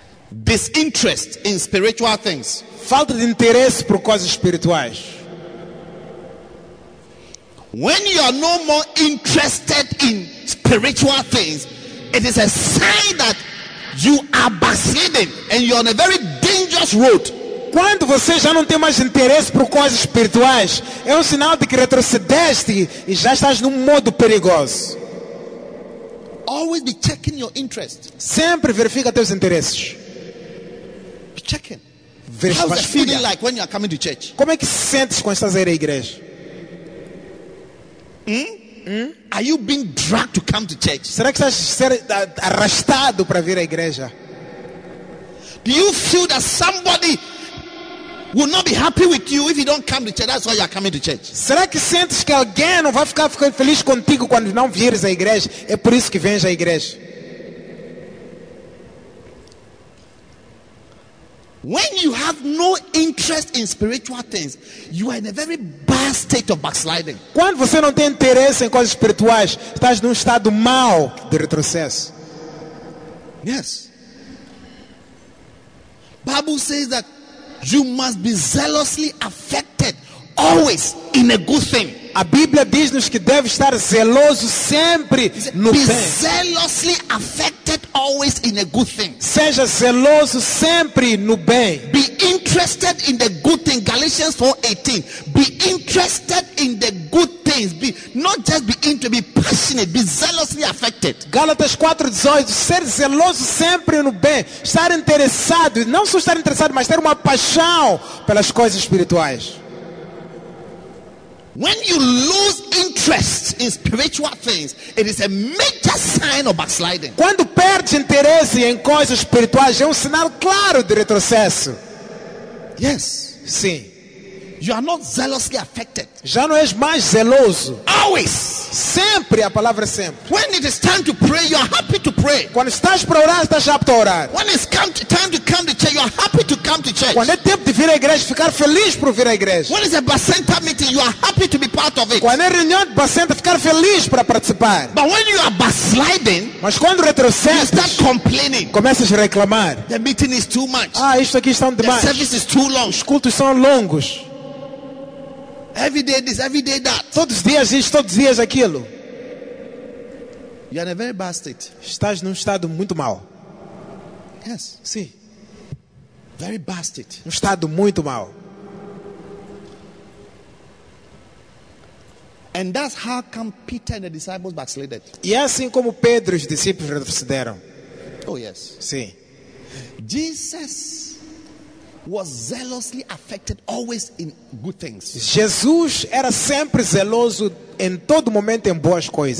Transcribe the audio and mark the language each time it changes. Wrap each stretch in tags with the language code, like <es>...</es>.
<en>Disinterest in spiritual things.</en> <pt>Falta de interesse por coisas espirituais.</pt> <en>When you are no more interested in spiritual things, it is a sign that you are backsliding and you are on a very dangerous road.</en> <pt>Quando você já não tem mais interesse por coisas espirituais, é um sinal de que retrocedeste e já estás num modo perigoso.</pt> <en>Always be checking your interest.</en> <pt>Sempre verifica teus interesses.</pt> <en>Be checking.</en> <pt>Verifica.</pt> <en>How's it feeling like when you are coming to church?</en> <pt>Como é que sentes quando estás a ir à igreja?</pt> <en>Are you being dragged to come to church?</en> <pt>Será que estás sendo arrastado para vir à igreja?</pt> <en>Do you feel that somebody will not be happy with you if you don't come to church? That's why you are coming to church.</en> <pt>Será que sentes que alguém não vai ficar feliz contigo quando não vieres à igreja? É por isso que vens à igreja.</pt> <en>When you have no interest in spiritual things, you are in a very bad state of backsliding.</en> <pt>Quando você não tem interesse em coisas espirituais, estás num estado mau de retrocesso.</pt> <en>Yes. Bible says that you must be zealously affected always in a good thing.</en> <pt>A Bíblia diz-nos que deve estar zeloso sempre no bem.</pt> <en>Be zealously affected always in a good thing.</en> <pt>Seja zeloso sempre no bem.</pt> <en>Be interested in the good thing. Galatians 4:18. Be interested in the good things. Be not just be interested, be passionate, be zealously affected.</en> <pt>Gálatas 4:18. Ser zeloso sempre no bem. Estar interessado, não só estar interessado, mas ter uma paixão pelas coisas espirituais.</pt> <en>When you lose interest in spiritual things, it is a major sign of backsliding.</en> <pt>Quando perdes interesse em coisas espirituais, é um sinal claro de retrocesso.</pt> <en>Yes.</en> <pt>Sim.</pt> <en>You are not zealously affected.</en> <pt>Já não és mais zeloso.</pt> <en>Always.</en> <pt>Sempre, a palavra sempre.</pt> <en>When it is time to pray, you are happy to pray.</en> <pt>Quando estás para orar, estás apto a orar.</pt> <en>When it's time to come to church, you are happy to come to church.</en> <pt>Quando é tempo de vir à igreja, ficar feliz por vir à igreja.</pt> <en>When it's a Bacenta meeting, you are happy to be part of it.</en> <pt>Quando é reunião de Bacenta, ficar feliz para participar.</pt> <en>But when you are backsliding,</en> <pt>mas quando retrocedes,</pt> <en>you start complaining.</en> <pt>Começas a reclamar.</pt> <en>The meeting is too much.</en> <pt>Ah, isto aqui está demais.</pt> <en>The service is too long.</en> <pt>Os cultos são longos.</pt> <en>Every day this, every day that.</en> <pt>Todos os dias isto, todos os dias aquilo.</pt> <en>You are in a very bad state.</en> <pt>Estás num estado muito mau.</pt> <en>Yes.</en> <pt>Sim.</pt> <en>Very bad state.</en> <pt>Um estado muito mau.</pt> <en>And that's how come Peter and the disciples backslid.</en> <pt>E é assim como Pedro e os discípulos retrocederam.</pt> <en>Oh yes.</en> <pt>Sim.</pt> <en>Jesus was zealously affected always in good things.</en> <pt>Jesus era sempre zeloso em todo momento em boas coisas.</pt>